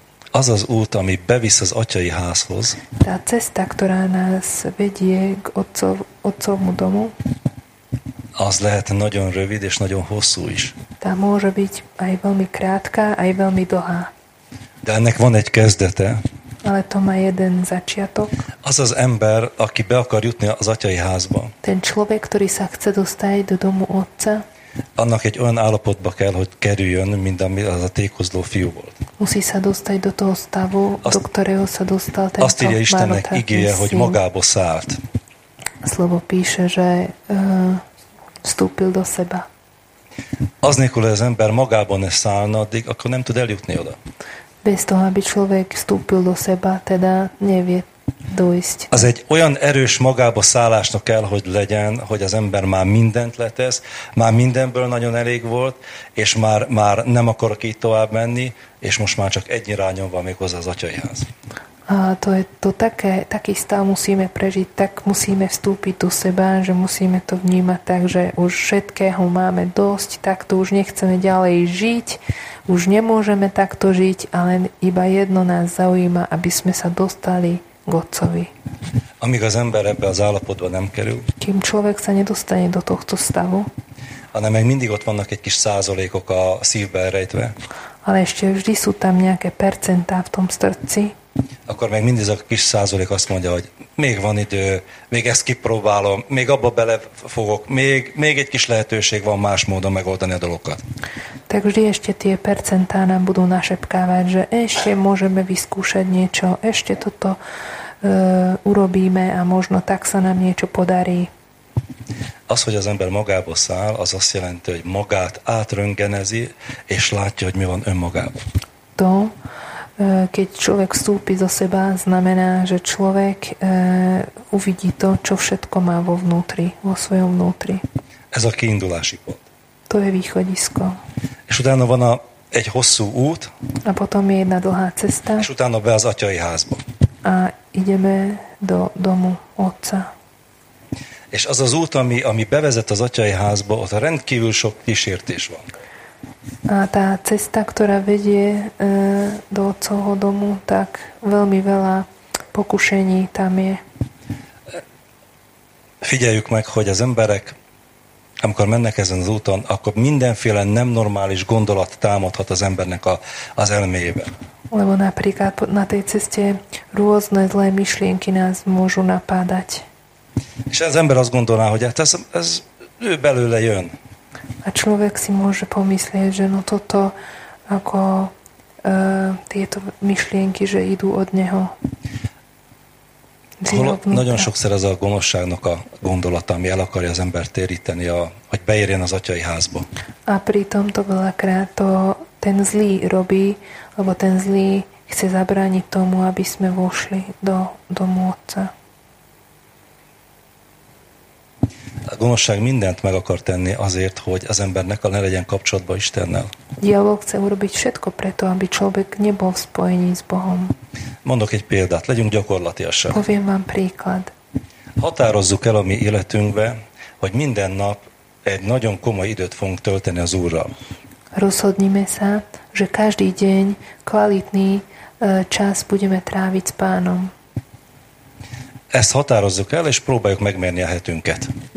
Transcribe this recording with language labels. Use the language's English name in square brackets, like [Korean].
[Hungarian] Az az út, ami bevisz az atyai házhoz. [Slovak] Tehát cesta, ktorá nás vedie k otcovmu domu. [Hungarian] Az lehet nagyon rövid és nagyon hosszú is. [Slovak] Tehát môže byť aj veľmi krátka, aj veľmi dlhá. [Hungarian] De ennek van egy kezdete. [Slovak] Ale to má jeden začiatok. [Hungarian] Az az ember, aki be akar jutni az atyai házba. [Slovak] Ten človek, ktorý sa chce dostať do domu otca. [Hungarian] Annak egy olyan állapotba kell, hogy kerüljön, mint az a tékozló fiú volt. [Slovak] Musí sa dostať do toho stavu, do ktorého sa dostal ten [Hungarian] Azt írja Istennek igéje, hogy magába szállt. [Slovak] Slovo píše, že vstúpil do seba. [Hungarian] Az nélkül az ember magába ne szállna, addig akkor nem tud eljutni oda. [Slovak] Bez toho, aby človek vstúpil do seba, teda nevie dojsť. [Hungarian] Az egy olyan erős magába szállásnak kell, hogy legyen, hogy az ember már mindent letesz, már mindenből nagyon elég volt, és már nem akarok így tovább menni, és most már csak egy irányon van még hozzá az atyaihoz. [Slovak] A to je to také, taký stav musíme prežiť, tak musíme vstúpiť do seba, že musíme to vnímať tak, že už všetkého máme dosť, tak to už nechceme ďalej žiť, už nemôžeme takto žiť, ale iba jedno nás zaujíma, aby sme sa dostali k otcovi. [Hungarian] Amíg az ember ebbe az állapotba nem kerül. [Slovak] Kým človek sa nedostane do tohto stavu. [Hungarian] Ale meg mindig ott vannak egy kis százalékok a szívben rejtve. [Slovak] Ale ešte vždy sú tam nejaké percentá v tom srdci. [Hungarian] Akkor meg mindig a kis százalék azt mondja, hogy még van idő, még ezt kipróbálom, még abba belefogok, még egy kis lehetőség van más módon megoldani a dolgokat. [Slovak] Tak vždy ešte tie percentá nám budú našepkávať, že ešte môžeme vyskúšať niečo, ešte toto urobíme a možno tak sa nám niečo podarí. [Hungarian] Az, hogy az ember magába száll, az azt jelenti, hogy magát átröngenezi, és látja, hogy mi van önmagában. [Slovak] To, keď človek vstúpi zo seba, znamená, že človek uvidí to, čo všetko má vo vnútri, vo svojom vnútri. [Hungarian] Ez a kiindulási pont. [Slovak] To je východisko. [Hungarian] És utána van egy hosszú út. [Slovak] A potom je jedna dlhá cesta. [Hungarian] És utána be az atyai házba. [Slovak] A ideme do domu otca. [Hungarian] És az az út, ami bevezet az atyai házba, ott rendkívül sok kísértés van. [Slovak] A tá cesta, ktorá vedie do otcovho domu, tak veľmi veľa pokušení tam je. [Hungarian] Figyeljük meg, hogy az emberek, amikor mennek ezen az úton, akkor mindenféle nem normális gondolat támadhat az embernek az elméjében. [Slovak] Lebo napríklad na tej ceste rôzne zlé myšlienky nás môžu napádať. [Hungarian] És az ember azt gondolná, hogy hát ez ő belőle jön. [Slovak] A človek si môže pomyslieť, že no toto, ako tieto myšlienky, že idú od neho. [Hungarian] Nagyon sokszor ez a gonoszságnak a gondolata, ami el akarja az ember téríteni, hogy beérjen az atyai házba. [Slovak] A pritom to veľakrát to ten zlý robí, lebo ten zlý chce zabrániť tomu, aby sme vošli do domu otca. [Hungarian] A gonoszság mindent meg akar tenni azért, hogy az embernek ne legyen kapcsolatba Istennel. [Slovak] Diabol chce urobiť všetko preto, aby človek nebol v spojení s Bohom. [Hungarian] Mondok egy példát, legyünk gyakorlatiasak. [Slovak] Poviem vám príklad. [Hungarian] Határozzuk el a mi életünkbe, hogy minden nap egy nagyon komoly időt fogunk tölteni az Úrral. [Slovak] Rozhodnime sa, že každý deň kvalitný čas budeme tráviť s Pánom. [Hungarian] Ezt határozzuk el, és próbáljuk megmérni a hetünket.